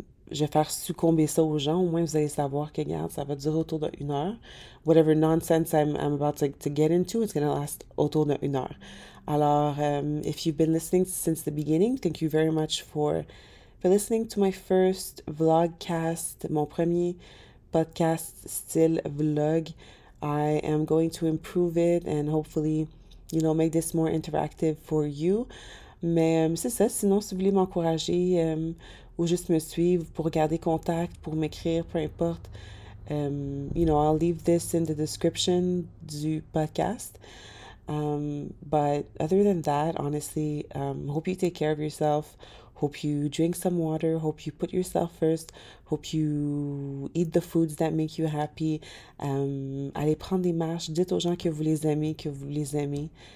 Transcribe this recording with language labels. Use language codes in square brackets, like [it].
[fr] Je vais faire succomber ça aux gens. Au moins, vous allez savoir que, regarde, ça va durer autour de 1 heure. [en] Whatever nonsense I'm about to get into, it's gonna last [fr] autour de 1 heure. [en] Alors, if you've been listening since the beginning, thank you very much for for listening to my first vlogcast, [fr] mon premier podcast style vlog. [en] I am going to improve it and hopefully, you know, make this more interactive for you. [fr] Mais c'est ça, sinon si vous voulez m'encourager ou juste me suivre pour garder contact, pour m'écrire, peu importe, [en] you know, I'll leave this in the description [fr] du podcast. [en] But other than that, honestly, hope you take care of yourself. Hope you drink some water. Hope you put yourself first. Hope you eat the foods that make you happy. [fr] Allez prendre des marches. Dites aux gens que vous les aimez, que vous les aimez.